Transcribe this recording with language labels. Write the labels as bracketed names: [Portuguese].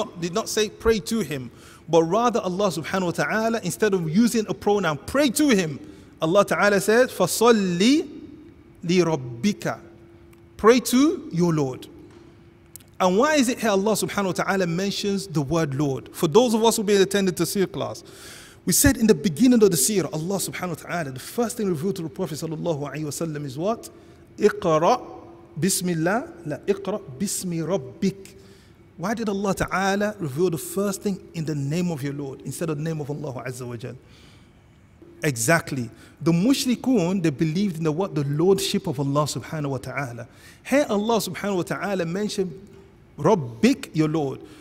[English] Did not say pray to him, but rather Allah subhanahu wa ta'ala, instead of using a pronoun, pray to him, Allah ta'ala said, [Arabic] فَصَلِّي لِرَبِّكَ. [English] Pray to your Lord. And why is it here Allah subhanahu wa ta'ala mentions the word Lord? For those of us who have been attending the seer class, we said in the beginning of the seer, Allah subhanahu wa ta'ala, the first thing revealed to the Prophet sallallahu alayhi wa sallam is what? [Arabic] اقرأ بسم الله لا اقرأ بسم ربك. [English] Why did Allah ta'ala reveal the first thing in the name of your Lord instead of the name of Allah Azza wa Jal? Exactly. The mushrikun, they believed in the what? The lordship of Allah subhanahu wa ta'ala. Here Allah subhanahu wa ta'ala mentioned ربك, your Lord.